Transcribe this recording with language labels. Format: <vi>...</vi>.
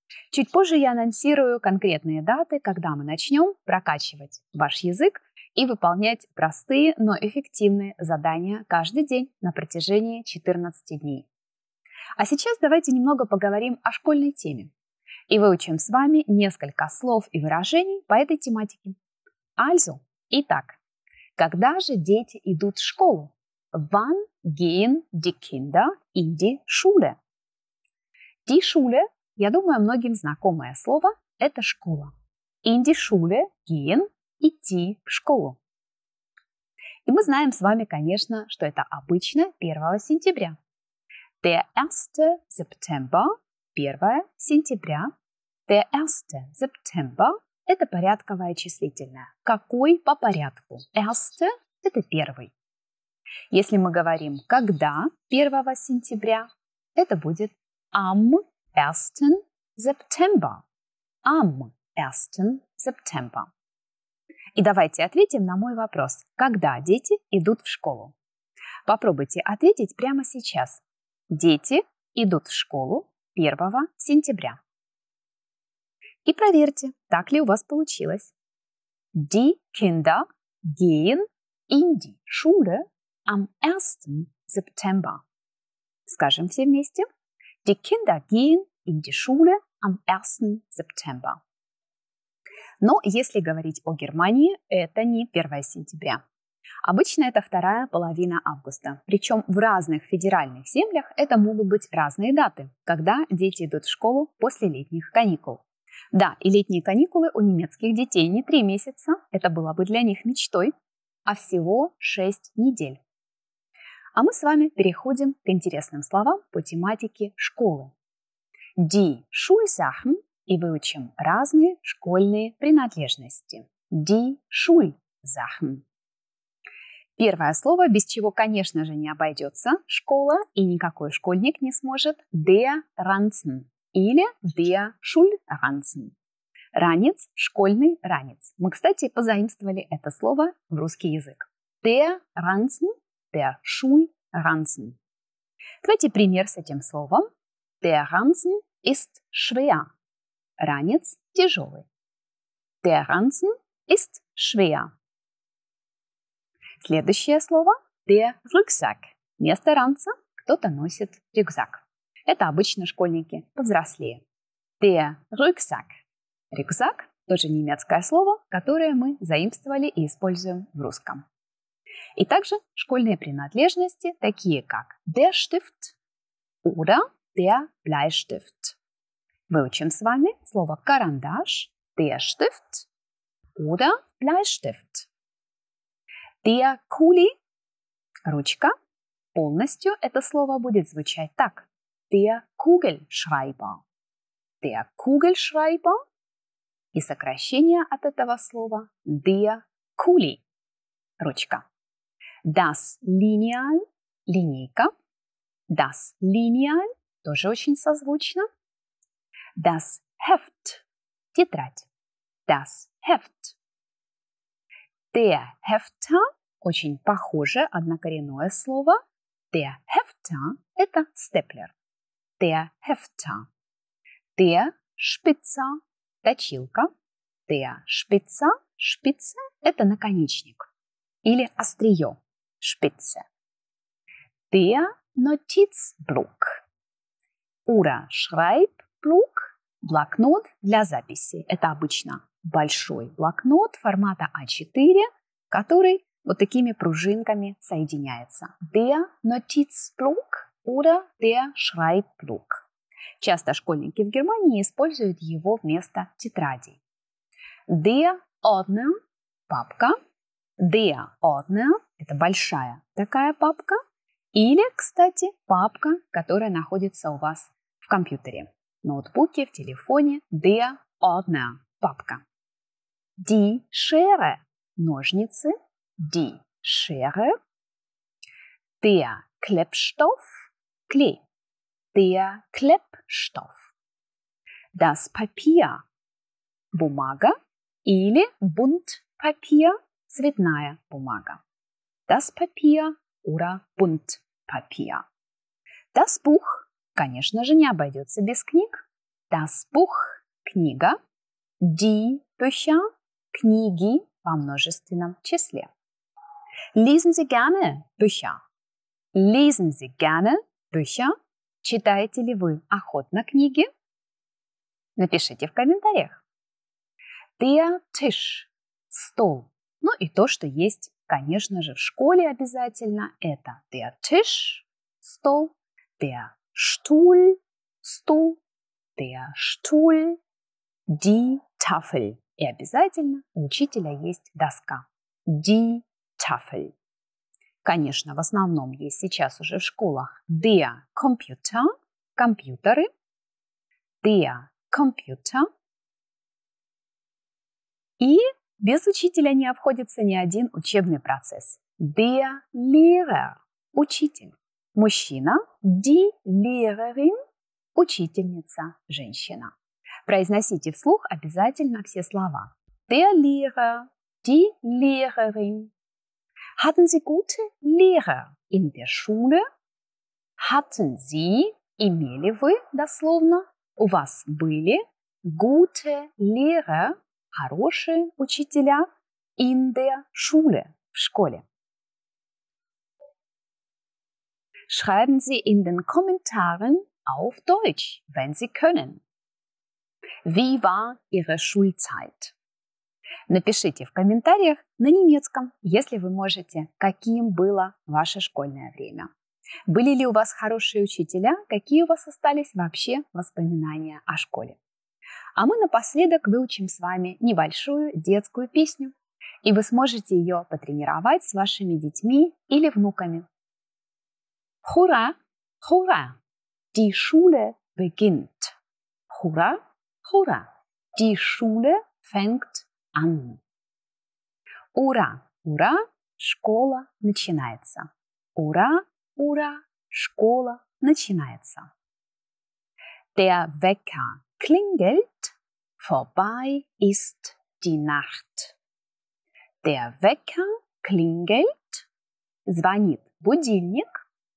<ru>Чуть позже я анонсирую конкретные даты, когда мы начнем прокачивать ваш язык и выполнять простые, но эффективные задания каждый день на протяжении 14 дней. А сейчас давайте немного поговорим о школьной теме и выучим с вами несколько слов и выражений по этой тематике. Also, итак, когда же дети идут в школу?</ru> <de>Wann gehen die Kinder in die Schule? Die Schule.</de> <ru>Я думаю, многим знакомое слово – это школа.</ru> <de>In die Schule gehen –</de> <ru>идти в школу. И мы знаем с вами, конечно, что это обычно 1 сентября.</ru> <de>Der erste September – 1 сентября. Der erste September</de> <ru>– это порядковое числительное. Какой по порядку? Erste – это первый. Если мы говорим «когда» 1 сентября, это будет am.</ru> <de>Ersten September. Am ersten September.</de> <ru>И давайте ответим на мой вопрос. Когда дети идут в школу? Попробуйте ответить прямо сейчас. Дети идут в школу 1 сентября. И проверьте, так ли у вас получилось.</ru> <de>Die Kinder gehen in die Schule am 1.</de> <ru>September. Скажем все вместе.</ru> <de>Die Kinder gehen in die Schule am 1. September.</de> <ru>Но если говорить о Германии, это не 1 сентября. Обычно это вторая половина августа. Причем в разных федеральных землях это могут быть разные даты, когда дети идут в школу после летних каникул. Да, и летние каникулы у немецких детей не 3 месяца, это было бы для них мечтой, а всего 6 недель. А мы с вами переходим к интересным словам по тематике школы. Die Schulsachen и выучим разные школьные принадлежности.</ru> <de>Die Schulsachen.</de> <ru>Первое слово, без чего, конечно же, не обойдется школа и никакой школьник не сможет.</ru> <de>Der Ranzen или der Schulranzen.</de> <ru>Ранец, школьный ранец. Мы, кстати, позаимствовали это слово в русский язык.</ru> <de>Der Ranzen, der Schulranzen.</de> <ru>Давайте пример с этим словом.</ru> <de>Der Ranzen ist schwer.</de> <ru>Ранец тяжелый.</ru> <de>Der Ranzen ist schwer.</de> <ru>Следующее слово.</ru> <de>Der Rucksack.</de> <ru>Вместо ранца кто-то носит рюкзак. Это обычно школьники повзрослее.</ru> <de>Der Rucksack.</de> <ru>Рюкзак – тоже немецкое слово, которое мы заимствовали и используем в русском. И также школьные принадлежности, такие как</ru> <de>der Stift oder der Bleistift.</de> <ru>выучим с вами слово карандаш,</ru> <de>der Stift oder Bleistift.</de> <ru>Der Kuli, ручка, полностью это слово будет звучать так.</ru> <de>Der Kugelschreiber. Der Kugelschreiber.</de> <ru>И сокращение от этого слова der Kuli, ручка.</ru> <de>Das Lineal, линейка.</de> <ru>Das Lineal, тоже очень созвучно.</ru> <de>Das Heft, тетрадь. Das Heft.</de> <ru>Der Hefter, очень похоже, однокоренное слово. Der Hefter, это степлер.</ru> <de>Der Hefter. Der Spitzer, точилка.</de> <ru>Der Spitzer, шпица, это наконечник. Или острие, шпица.</ru> <de>Der Notizblock. Oder Schreibblock,</de> <ru>блокнот для записи. Это обычно большой блокнот формата А4, который вот такими пружинками соединяется.</ru> <de>Der Notizblock oder der Schreibblock.</de> <ru>Часто школьники в Германии используют его вместо тетради.</ru> <de>Der Ordner, папка.</de> <ru>Der Ordner, это большая такая папка. Или, кстати, папка, которая находится у вас в компьютере, в ноутбуке, в телефоне.</ru> <de>Der Ordner,</de> <ru>папка.</ru> <de>Die Schere,</de> <ru>ножницы.</ru> <de>Die Schere. Der Klebstoff, клей. Der Klebstoff. Das Papier, бумага.</de> <ru>Или Bunt Papier, цветная бумага.</ru> <de>Das Papier oder Bunt Papier.</de> <ru>Das Buch, конечно же, не обойдется без книг.</ru> <de>Das Buch, книга.</de> <ru>Die Bücher, книги во множественном числе.</ru> <de>Lesen Sie gerne Bücher. Lesen Sie gerne Bücher.</de> <ru>Читаете ли вы охотно книги? Напишите в комментариях.</ru> <de>Der Tisch, стол.</de> <ru>Ну и то, что есть, конечно же, в школе обязательно, это der Tisch, стол.</ru> <de>Der Stuhl, стул. Der Stuhl, die Tafel.</de> <ru>И обязательно у учителя есть доска.</ru> <de>Die Tafel.</de> <ru>Конечно, в основном есть сейчас уже в школах der Computer, компьютеры.</ru> <de>Der Computer.</de> <ru>И без учителя не обходится ни один учебный процесс.</ru> <de>Der Lehrer, учитель.</de> <ru>Мужчина. Die Lehrerin, учительница, женщина. Произносите вслух обязательно все слова.</ru> <de>Der Lehrer, die Lehrerin. Hatten Sie gute Lehrer in der Schule?</de> <ru>Hatten Sie, имели вы дословно, у вас были</ru> <de>gute Lehrer,</de> <ru>хорошие учителя,</ru> <de>in der Schule,</de> <ru>в школе.</ru> <de>Schreiben Sie in den Kommentaren auf Deutsch, wenn Sie können. Wie war Ihre Schulzeit?</de> <ru>Напишите в комментариях на немецком, если вы можете, каким было ваше школьное время. Были ли у вас хорошие учителя? Какие у вас остались вообще воспоминания о школе? А мы напоследок выучим с вами небольшую детскую песню, и вы сможете ее потренировать с вашими детьми или внуками.</ru> <de>Hurra, hurra, die Schule beginnt. Hurra, hurra, die Schule fängt an.</de> <ru>Ура, ура, школа начинается. Ура, ура, школа начинается.</ru> <de>Der Wecker klingelt, vorbei ist die Nacht. Der Wecker klingelt,</de> <ru>звонит будильник.</ru>